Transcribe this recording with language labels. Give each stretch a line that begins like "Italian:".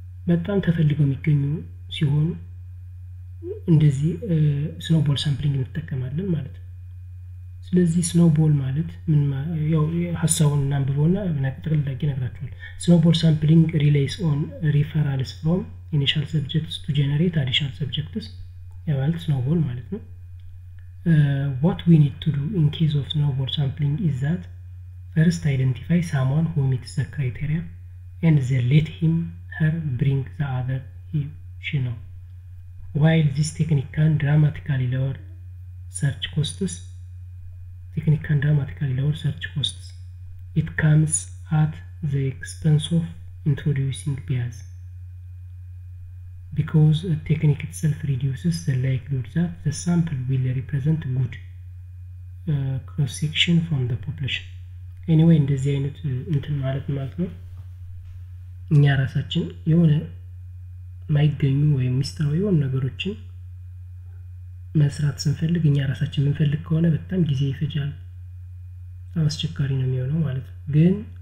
Amharic: በጣም ተፈልገው የሚገኙ ሲሆኑ እንደዚህ
English: snowball sampling እንጠቀማለን ማለት ነው። ስለዚህ snowball ማለት ምን ያው ሐሳቡን እናንብበውና እናቀጥል ደግ ይነግራችኋል። snowball sampling relies on referrals from initial subjects to generate additional subjects
Amharic: ያው snowball ማለት ነው።
English: What we need to do in case of snowball sampling is that first identify someone who meets the criteria and then let him her bring the other he she know. While this technique can dramatically lower search costs, it comes at the expense of introducing bias, because the technique itself reduces the likelihood that the sample will represent good cross-section from the population. Anyway, in this way,
Amharic: ማይገኙ ወይ ሚስተራዊ ወን ነገሮችን መስራት ስንፈልግ እኛ ራሳችን ምንፈልግ ከሆነ በጣም ጊዜ ይፈጃል አስቸጋሪ ነው የሚሆነው ማለት ነው ግን